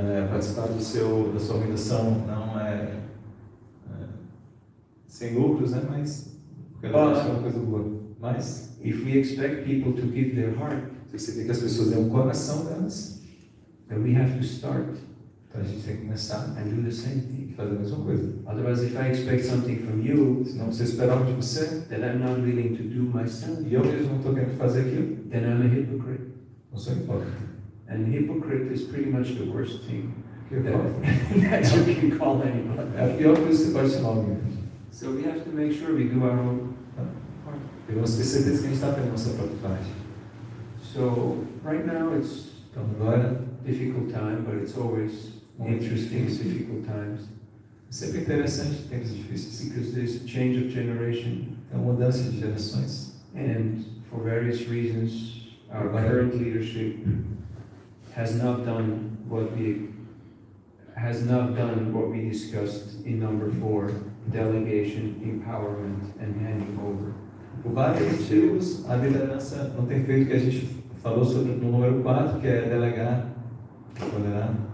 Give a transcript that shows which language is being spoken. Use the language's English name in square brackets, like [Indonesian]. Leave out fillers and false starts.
[Portuguese] Participar do seu, da sua organização não é, é sem lucros, né? Mas porque é uma coisa boa. Mas [English] if we expect people to give their heart, [Portuguese] se você quer que as pessoas dêem um coração delas, [English] then we have to start. [Portuguese] Então a gente tem que começar [English] and do the same thing. [Portuguese] Fazer a mesma coisa. [English] Otherwise, if I expect something from you, [Portuguese] se não você esperar algo de você, [English] then I'm not willing to do myself. [Portuguese] E eu mesmo não estou querendo fazer aquilo. [English] Then I'm a hypocrite. [Portuguese] Não sou hipócrita. [English] And hypocrite is pretty much the worst thing that you can call anybody. [Portuguese] É o pior que você pode chamar alguém. [English] So we have to make sure we do our own part. [Portuguese] Temos que ter certeza que a gente está fazendo nossa própria parte. [English] So right now it's [Portuguese] agora, [English] difficult time, but it's always interesting. It's difficult times. [Portuguese] Sempre interessante tempos difíceis. [English] Because there's a change of generation. [Portuguese] É uma mudança de gerações. [English] And for various reasons, our current leadership has not done what we discussed in number 4, delegation, empowerment, and handing over. [Portuguese] Por vários motivos, a liderança não tem feito o que a gente falou sobre no número 4, que é delegar, empoderar.